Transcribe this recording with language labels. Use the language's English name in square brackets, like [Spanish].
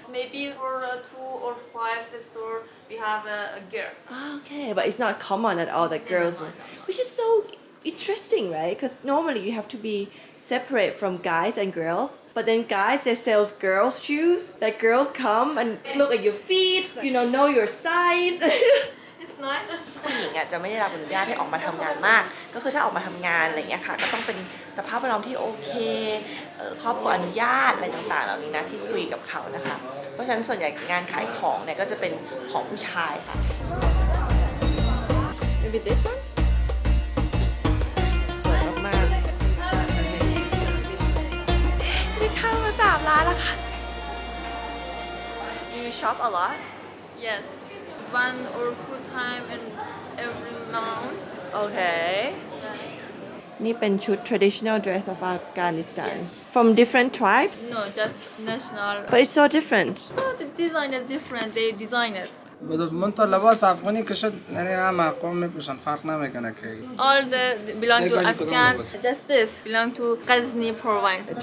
[English] Maybe for two or five store we have a girl. Okay, but it's not common at all that girls work. Which is so interesting, right? Because normally you have to be separate from guys and girls, but then guys they sell girls shoes. That girls come and look at your feet. You know your size. [Thai] ผู้หญิงอ่ะจะไม่ได้รับอนุญาตให้ออกมาทำงานมากก็คือถ้าออกมาทำงานอะไรเงี้ยค่ะก็ต้องเป็นสภาพแวดล้อมที่โอเคครอบครัวอนุญาตอะไรต่างๆเหล่านี้นะที่คุยกับเขานะคะเพราะฉะนั้นส่วนใหญ่งานขายของเนี่ยก็จะเป็นของผู้ชายค่ะ [English] Maybe this one [Thai] สวยมาก ๆนี่เข้ามา3ร้านแล้วค่ะ [English] Do you shop a lot? Yes. One or two times in every month. Okay. This is a traditional dress of Afghanistan. Yeah. From different tribe? No, just national. But it's so different. No, the design is different. They design it. [Persian] من تو لباس افغانی کشید یعنی هم اقوام میپوشن فرق نمیکنه که [English] All the belong to Afghan just this belong to Ghazni province.